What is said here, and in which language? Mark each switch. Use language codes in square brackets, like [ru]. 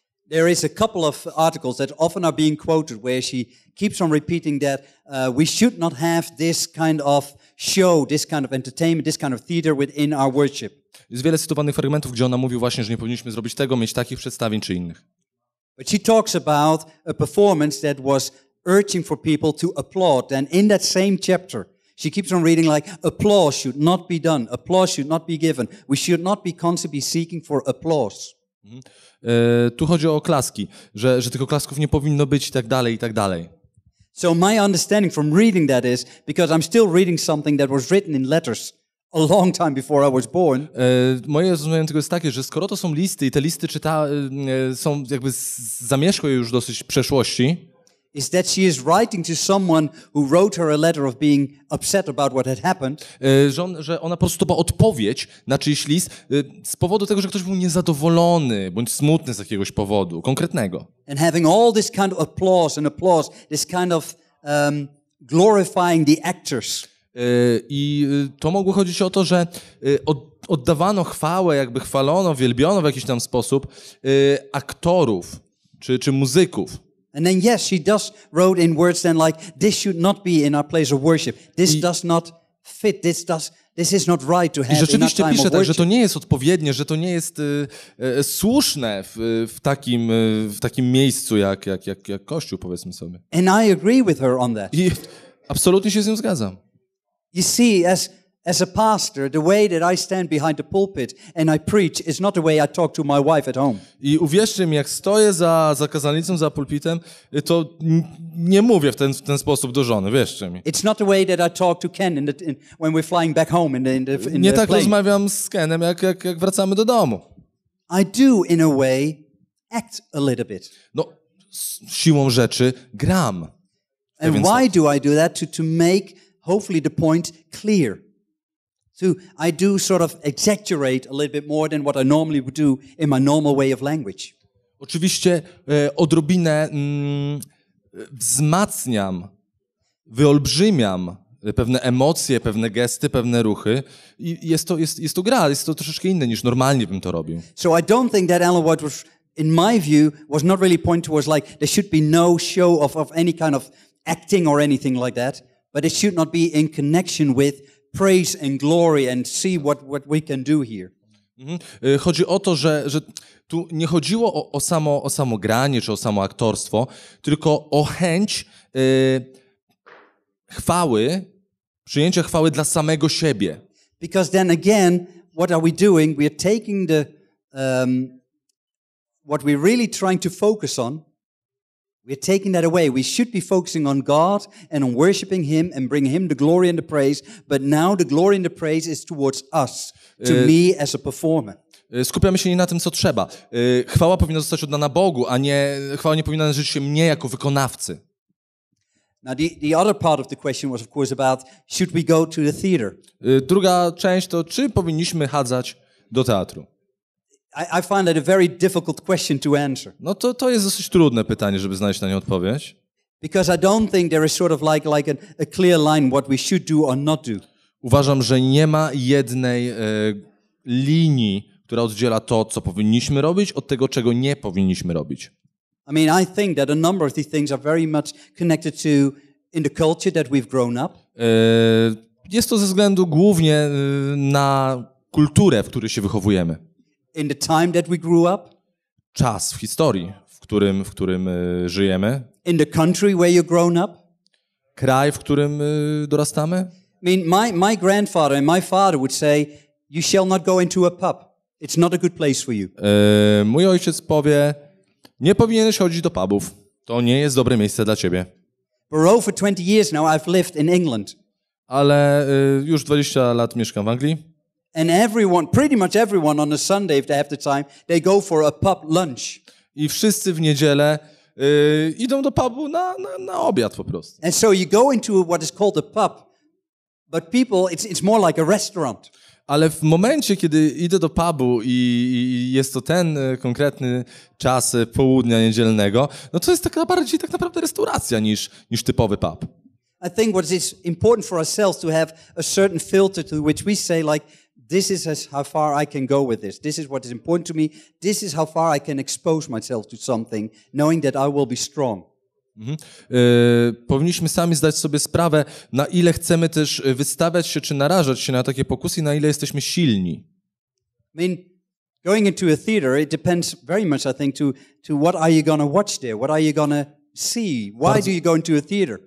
[en] There is a couple of articles that often are being quoted where she keeps on repeating that we should not have this kind of show, this kind of entertainment, this kind of theater within our worship. [pl] Jest wiele cytowanych fragmentów, gdzie ona mówi właśnie, że nie powinniśmy zrobić tego, mieć takich przedstawień czy innych. [en] But she talks about a performance that was urging for people to applaud. And in that same chapter, she keeps on reading like, applause should not be done, applause should not be given. We should not be constantly seeking for applause. Mm-hmm. [pl] Tu chodzi o klaski, że tych oklasków nie powinno być i tak dalej, i tak dalej. [en] So my understanding from reading that is, because I'm still reading something that was written in letters, a long time before I was born. [pl] Moje zrozumienie tego jest takie, że skoro to są listy i te listy są jakby zamieszkłe już dosyć w przeszłości. [en] Is that she is writing to someone who wrote her a letter of being upset about what had happened? [pl] Że ona po prostu ma odpowiedź na czyjś list z powodu tego, że ktoś był niezadowolony bądź smutny z jakiegoś powodu konkretnego. [en] And having all this kind of applause, this kind of glorifying the actors. [pl] I to mogło chodzić o to, że oddawano chwałę, jakby chwalono, wielbiono w jakiś tam sposób aktorów czy muzyków. [en] And then yes, she does wrote in words then like this should not be in our place of worship. This does not fit. This is not right to have in our time of worship. [pl] I rzeczywiście pisze tak, że to nie jest odpowiednie, że to nie jest słuszne w takim miejscu jak kościół, powiedzmy sobie. [en] And I agree with her on that. [pl] I absolutnie się z nią zgadzam. [en] You see, as a pastor, the way that I stand behind the pulpit and I preach is not the way I talk to my wife at home. [pl] I uwierzcie mi, jak stoję za kazalnicą, za pulpitem, to nie mówię w ten sposób do żony, wierzcie mi. [en] It's not the way that I talk to Ken when we're flying back home in the plane. [pl] Nie tak rozmawiam z Kenem, jak wracamy do domu. [en] I do, in a way, act a little bit. [pl] No, siłą rzeczy gram. [en] And why do I do that? To make hopefully the point clear. So I do sort of exaggerate a little bit more than what I normally would do in my normal way of language. [pl] Oczywiście odrobinę wzmacniam, wyolbrzymiam pewne emocje, pewne gesty, pewne ruchy. I jest to gra, jest to troszeczkę inne niż normalnie bym to robił. [en] So I don't think that Ellen White was, in my view, was not really pointing towards like there should be no show of any kind of acting or anything like that, but it should not be in connection with praise and glory and see what we can do here. [pl] Chodzi o to, że tu nie chodziło o samo granie czy o samo aktorstwo, tylko o chęć chwały, przyjęcia chwały dla samego siebie. [en] Because then again, what are we doing? We are taking the what we're really trying to focus on. We're taking that away. We should be focusing on God and on worshiping Him and bringing Him the glory and the praise. But now the glory and the praise is towards us, to me as a performer. [pl] Skupiamy się nie na tym, co trzeba. Chwała powinna zostać oddana Bogu, a nie chwała nie powinna należeć się mnie jako wykonawcy. [en] Now the other part of the question was, of course, about should we go to the theater? [pl] Druga część to czy powinniśmy chadzać do teatru? [en] I find that a very difficult question to answer. [pl] No to jest dosyć trudne pytanie, żeby znaleźć na nie odpowiedź. [en] Because I don't think there is sort of like a clear line what we should do or not do. [pl] Uważam, że nie ma jednej linii, która oddziela to, co powinniśmy robić, od tego, czego nie powinniśmy robić. [en] I mean, I think that a number of these things are very much connected to in the culture that we've grown up. [pl] Jest to ze względu głównie na kulturę, w której się wychowujemy. [en] In the time that we grew up. [pl] Czas w historii, w którym żyjemy. [en] In the country where you've grown up. [pl] Kraj, w którym dorastamy. [en] I mean, my grandfather and my father would say, you shall not go into a pub. It's not a good place for you. [pl] Mój ojciec powie, nie powinieneś chodzić do pubów. To nie jest dobre miejsce dla ciebie. [en] For over 20 years now I've lived in England. [pl] Ale już 20 lat mieszkam w Anglii. [en] And everyone, pretty much everyone on a Sunday if they have the time, they go for a pub lunch. [pl] I wszyscy w niedzielę idą do pubu na obiad po prostu. [en] And so you go into what is called a pub, but people, it's more like a restaurant. [pl] Ale w momencie, kiedy idę do pubu i jest to ten konkretny czas południa niedzielnego, no to jest taka bardziej tak naprawdę restauracja niż typowy pub. [en] I think what is important for ourselves to have a certain filter to which we say like, this is how far I can go with this. This is what is important to me. This is how far I can expose myself to something, knowing that I will be strong. Mm-hmm. [pl] Powinniśmy sami zdać sobie sprawę, na ile chcemy też wystawiać się czy narażać się na takie pokusy, na ile jesteśmy silni. [en] I mean, going into a theater, it depends very much, I think, to what are you gonna watch there? What are you gonna see? Why do you go into a theater?